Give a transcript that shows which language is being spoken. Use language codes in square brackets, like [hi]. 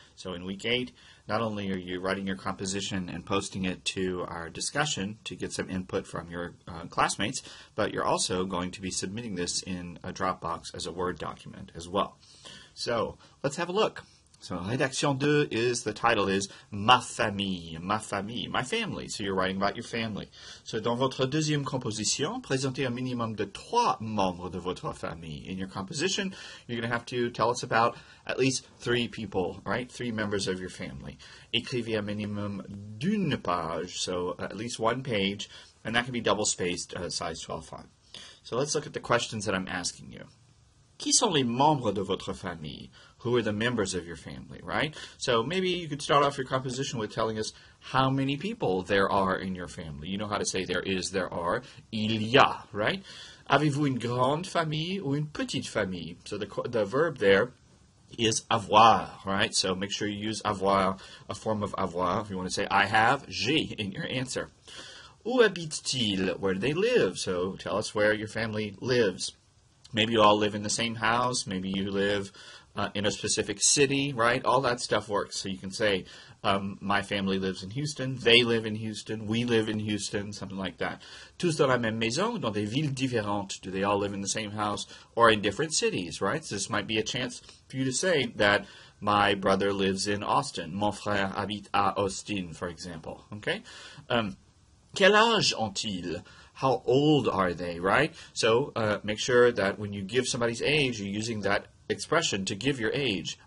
[en] So in week 8, not only are you writing your composition and posting it to our discussion to get some input from your classmates, but you're also going to be submitting this in a Dropbox as a Word document as well. So let's have a look. So rédaction 2 is, the title is [fr] ma famille, [en] my family. So you're writing about your family. [fr] So dans votre deuxième composition, présentez un minimum de trois membres de votre famille. [en] In your composition, you're going to have to tell us about at least three people, right? Three members of your family. [fr] Écrivez un minimum d'une page, [en] so at least one page, and that can be double-spaced, size 12 font. So let's look at the questions that I'm asking you. [fr] Qui sont les membres de votre famille? [en] Who are the members of your family, right? So maybe you could start off your composition with telling us how many people there are in your family. You know how to say there is, there are. [fr] Il y a, right? Avez-vous une grande famille ou une petite famille? [en] So the verb there is avoir, right? So make sure you use avoir, a form of avoir. If you want to say I have, j'ai in your answer. [fr] Où habite-t-il? [en] Where do they live? So tell us where your family lives. Maybe you all live in the same house. Maybe you live in a specific city, right? All that stuff works. So you can say, my family lives in Houston. They live in Houston. We live in Houston, something like that. [fr] Tous dans la même maison, dans des villes différentes. [en] Do they all live in the same house or in different cities, right? So this might be a chance for you to say that my brother lives in Austin. [fr] Mon frère habite à Austin, [en] for example, okay? [fr] Quel âge ont-ils? [en] How old are they, right? So make sure that when you give somebody's age, you're using that expression to give your age.